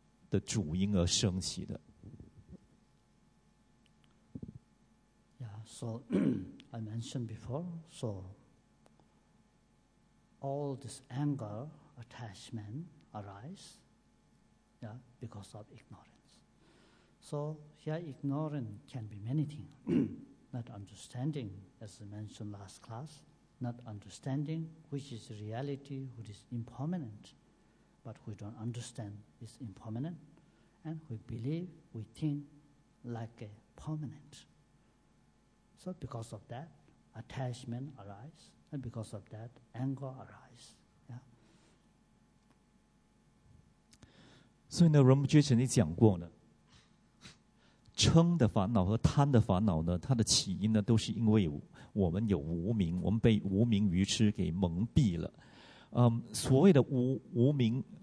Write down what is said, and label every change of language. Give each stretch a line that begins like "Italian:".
Chinese: 虽然有点很重要，就是呢，当我们这样看的时候，我们就想，哎，我们的嗔心呢是怎么样升起的？我们就要去自己想想，我们嗔心是怎样升起的？我们贪着这个烦恼是怎么从我们的内心升起的？是不是都是因为愚痴无明的主因而升起的？
English: So I mentioned before, so all this anger, attachment arise, yeah, because of ignorance. So here ignorance can be many things. Not understanding, as I mentioned last class, not understanding which is reality, which is impermanent, but we don't understand is impermanent, and we believe, we think like a permanent. So because of that, attachment arise, and because of that, anger arise. Yeah.
Chinese: 所以呢，仁波切曾经讲过呢，嗔的烦恼和贪的烦恼呢，它的起因呢，都是因为我们有无明，我们被无明愚痴给蒙蔽了。所谓的无明。